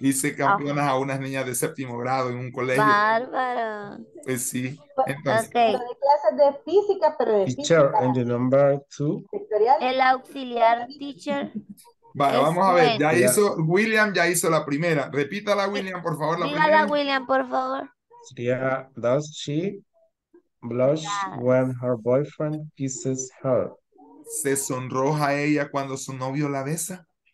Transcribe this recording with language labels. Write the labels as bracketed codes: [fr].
[es] Hice campeonas a unas niñas de séptimo grado en un colegio. Bárbaro. Pues sí. Entonces, okay. De clases de física, pero de [en] teacher, [es] física. [en] And the number two. [es] El auxiliar teacher. Vale, vamos a ver. Ya hizo, William ya hizo la primera. Repítala, William, por favor. Dígala, William, por favor. [en] Sería, does she blush when her boyfriend kisses her? [es] ¿Se sonroja ella cuando su novio la besa?